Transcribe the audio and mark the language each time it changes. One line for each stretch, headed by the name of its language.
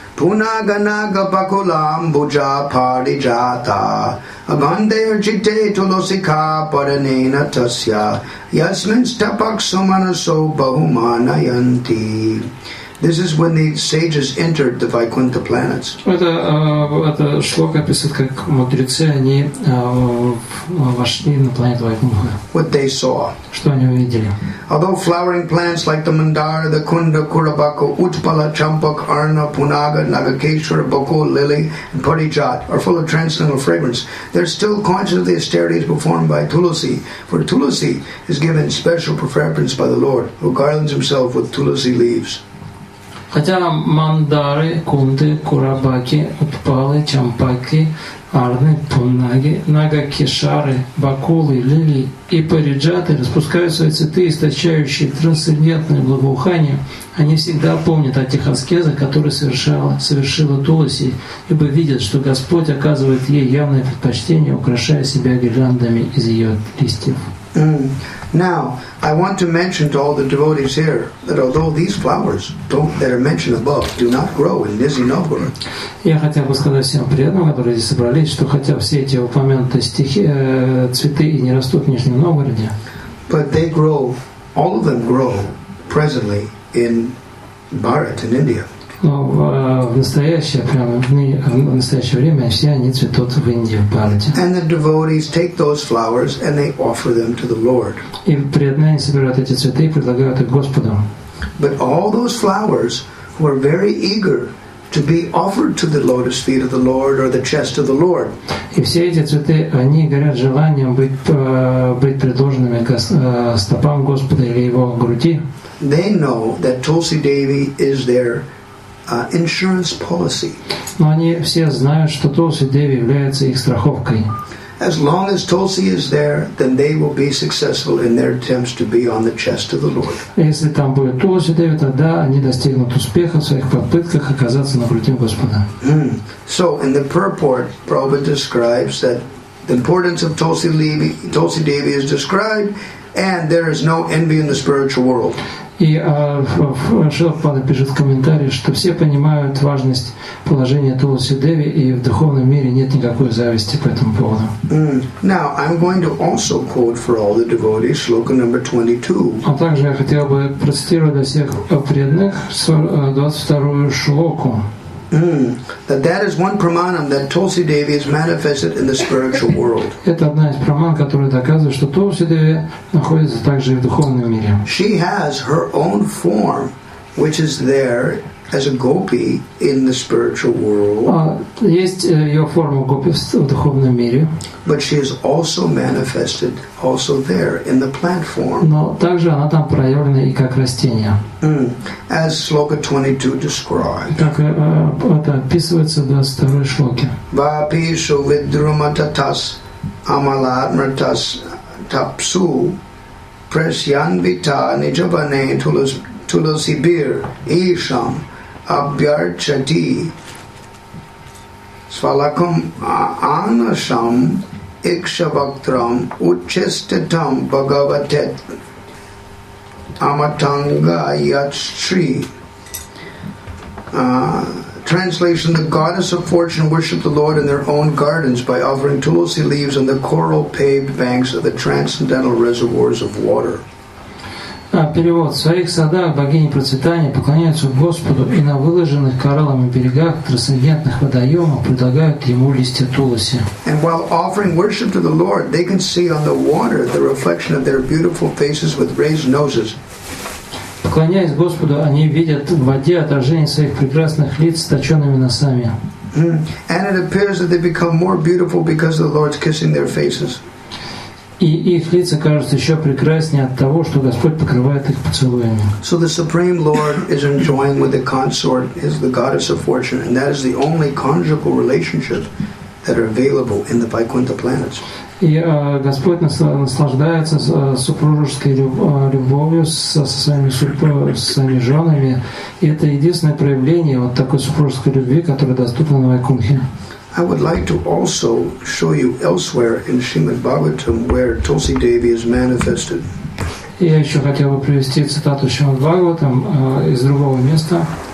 Sanskrit: Punaganaga pakulam buja parijata agandeya chitte tulosika paranena tasya yasmin stapak sumanaso bahumana yanti.
English: This is when the sages entered the Vaikuntha planets.
Russian: Это шлока описывает, как мудрецы они вошли на планету Вайкунтха.
English: What they saw.
Russian: Что они увидели.
English: Although flowering plants like the mandara, the kunda, kurabako, utpala, champak, arna, punaga, nagakeshwara, boko, lily, and parijat are full of transcendental fragrance, they're still conscious of the austerities performed by tulasi. For tulasi is given special preference by the Lord, who garlands himself with tulasi leaves.
Russian: Хотя мандары, кунды, курабаки, утпалы, чампаки, арны, пунаги, нагакешары, бакулы, лилии и париджаты распускают свои цветы, источающие трансцендентное благоухание, они всегда помнят о тех аскезах, которые совершила Туласи, ибо видят, что Господь оказывает ей явное предпочтение, украшая себя гирляндами из ее листьев.
English: Now, I want to mention to all the devotees here that although these flowers that are mentioned above do not grow in Nizhny Novgorod.
Russian: Я хотел бы сказать всем преданным, которые здесь собрались, что хотя все эти упомянутые стихи, цветы и не растут в Нижнем Новгороде,
English: but they grow, all of them grow presently in Bharat, in India.
Russian: Но в настоящее время все они цветут в Индии, в Бхарате.
English: And the devotees take those flowers and they offer them to the Lord.
Russian: И преданные собирают эти цветы и предлагают их Господу.
English: But all those flowers were very eager to be offered to the lotus feet of the Lord or the chest of the Lord.
Russian: И все эти цветы, они горят желанием быть предложенными стопам Господа или его груди.
English: They know that Tulsi Devi is their insurance policy.
Russian: Но они все знают, что Тулси Деви является их страховкой.
English: As long as Tulsi is there, then they will be successful in their attempts to be on the chest of the Lord.
Russian: Если там будет Тулси Деви, тогда они достигнут успеха в своих попытках оказаться на груди Господа.
English: So in the purport, Prabhupada describes that the importance of Tulsi Devi is described, and there is no envy in the spiritual world.
Russian: И Шилпада пишет в комментарии, что все понимают важность положения Тулси Деви, и в духовном мире нет никакой зависти по этому поводу.
English: Now, I'm going to also quote for all the devotees shloka number 22.
Russian: А также я хотел бы процитировать для всех преданных 22-ю шлоку.
English: That is one pramanam that Tulsi Devi is manifested in the spiritual world.
Russian: Это одна из праман, которая доказывает, что Тулси Деви находится также и в духовном мире.
English: She has her own form, which is there as a gopi in the spiritual world.
Russian: Есть ее форма гопи в духовном мире.
English: But she is also manifested also there in the plant form.
Russian: Но также она там проявлена и как растение.
English: As Sloka 22 describes.
Russian: Так это описывается в 22 шлоке.
Sanskrit: Vapisu vidrumatatas amalatmratas tapsu presyanvita nijabane tulas tulasibir isham abhyarchati svalakam anasham ikshavaktram uchestitam bhagavatet amatanga yachtri.
English: Translation: the goddess of fortune worshipped the Lord in their own gardens by offering tulsi leaves on the coral paved banks of the transcendental reservoirs of water.
Russian: Перевод: в своих садах богини процветания поклоняются Господу и на выложенных кораллами берегах трансцендентных водоемов предлагают ему листья тулоси.
English: And while offering worship to the Lord, they can see on the water the reflection of their beautiful faces with raised noses.
Russian: Поклоняясь Господу, они видят в воде отражение своих прекрасных лиц с точенными носами.
English: And it appears that they become more beautiful because the Lord's kissing their faces.
Russian: И их лица кажутся еще прекраснее от того, что Господь покрывает их поцелуями.
English: So the Supreme Lord is enjoying with the consort is the goddess of fortune, and that is the only conjugal relationship that are available in the Vaikuntha planets.
Russian: И Господь наслаждается супружеской любовью со своими женами. И это единственное проявление вот такой супружеской любви, которая доступна на Вайкунхе.
English: I would like to also show you elsewhere in Srimad Bhagavatam where Tulsi Devi is manifested.
Russian: Я еще хотел бы привести цитату Шримад Бхагаватам из другого места.